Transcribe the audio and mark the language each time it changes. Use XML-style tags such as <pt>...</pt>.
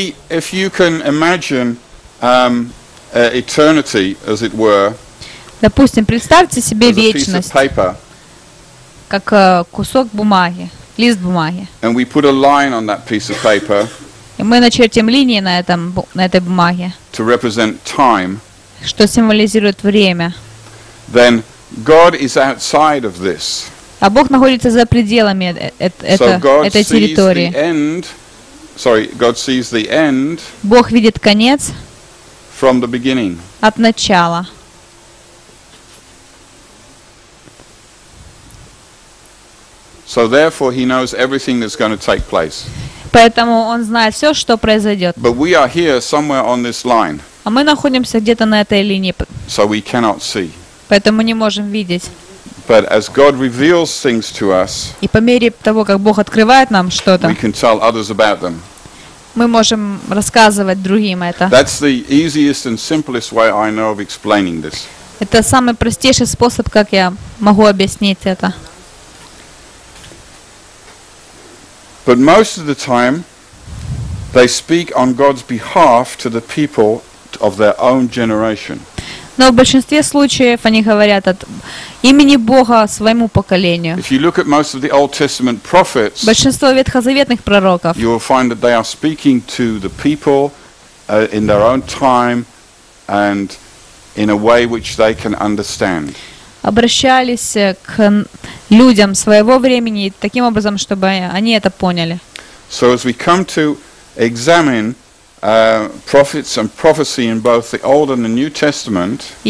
<en>If you can imagine eternity, as it were.</en> <ru>Допустим, представьте себе вечность.</ru> <en>Paper,</en> <ru>как кусок бумаги, лист бумаги.</ru> <en>And we put a line on that piece of paper.</en> <ru>И мы начертим линии на этом на этой бумаге.</ru> <en>To represent time.</en> <ru>Что символизирует время.</ru> <en>Then God is outside of this.</en> <ru>А Бог находится за пределами этой территории.</ru> <en>God sees the end.</en> <ru>Бог видит конец.</ru> <en>From the beginning.</en> <ru>От начала.</ru> <en>So therefore he knows everything that's going to take place.</en> <ru>Поэтому он знает всё, что произойдёт.</ru> <en>But we are here somewhere on this line.</en> <ru>А мы находимся где-то на этой линии.</ru> <en>So we cannot see.</en> <ru>Поэтому не можем видеть.</ru> <en>But as God reveals things to us.</en> <ru>И по мере того, как Бог открывает нам что-то.</ru> <en>We can tell others about them.</en> <ru>Мы можем рассказывать другим это.</ru> <en>That's the easiest and simplest way I know of explaining this.</en> <ru>Это самый простейший способ, как я могу объяснить это.</ru> <en>But most of the time they speak on God's behalf to the people of their own generation.</en> <ru>Но в большинстве случаев они говорят от имени Бога своему поколению.</ru> <en>If you look at most of the Old Testament prophets,</en> <ru>большинство ветхозаветных пророков,</ru> <en>you will find that they are speaking to the people in their own time and in a way which they can understand.</en> <ru>Обращались к людям своего времени таким образом, чтобы они это поняли.</ru> <en>So as we come to examine prophets and prophecy in both the Old and the New Testament.</en>